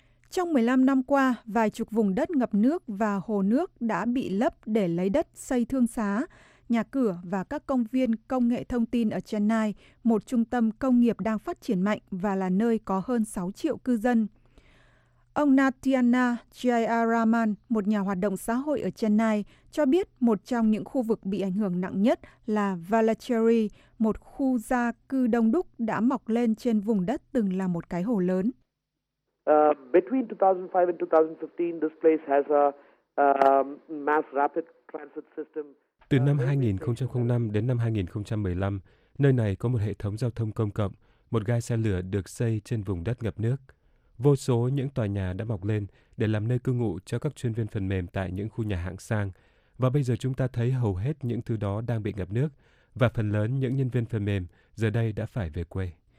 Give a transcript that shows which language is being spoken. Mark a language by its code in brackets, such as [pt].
[vi] Trong 15 năm qua, vài chục vùng đất ngập nước và hồ nước đã bị lấp để lấy đất xây thương xá, nhà cửa và các công viên công nghệ thông tin ở Chennai, một trung tâm công nghiệp đang phát triển mạnh và là nơi có hơn 6 triệu cư dân. Ông Natiana Jayaraman, một nhà hoạt động xã hội ở Chennai, cho biết một trong những khu vực bị ảnh hưởng nặng nhất là Vallacherry, một khu gia cư đông đúc đã mọc lên trên vùng đất từng là một cái hồ lớn. [en] Between 2005 and 2015, this place has a mass rapid transit system. [vi] Từ năm 2005 đến năm 2015, nơi này có một hệ thống giao thông công cộng, một ga xe lửa được xây trên vùng đất ngập nước. Vô số những tòa nhà đã mọc lên để làm nơi cư ngụ cho các chuyên viên phần mềm tại những khu nhà hạng sang. Và bây giờ chúng ta thấy hầu hết những thứ đó đang bị ngập nước và phần lớn những nhân viên phần mềm giờ đây đã phải về quê.